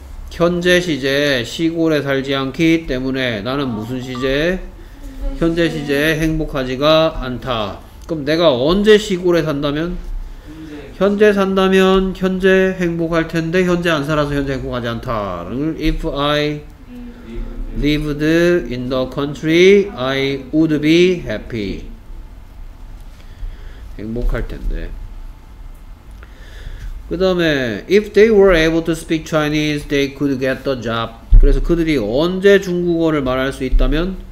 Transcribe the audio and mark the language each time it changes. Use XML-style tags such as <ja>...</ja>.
<ko>현재 시제에 시골에 살지 않기 때문에 나는 무슨 시제에? 현재 시제에 행복하지가 않다. 그럼 내가 언제 시골에 산다면? 현재 산다면 현재 행복할 텐데 현재 안 살아서 현재 행복하지 않다.</ko> <en>If I lived in the country, I would be happy.</en> <ko>행복할 텐데. 그 다음에</ko> <en>if they were able to speak Chinese, they could get the job.</en> <ko>그래서 그들이 언제 중국어를 말할 수 있다면?</ko>